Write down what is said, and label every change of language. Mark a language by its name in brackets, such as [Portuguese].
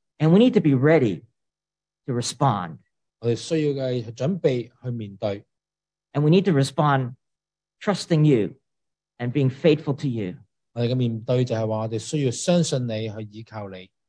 [English] And we need to be ready to respond. [Cantonese] 我哋需要嘅准备去面对。 [English] And we need to respond trusting you and being faithful to you. [Cantonese] 我哋嘅面对就系话我哋需要相信你去依靠你。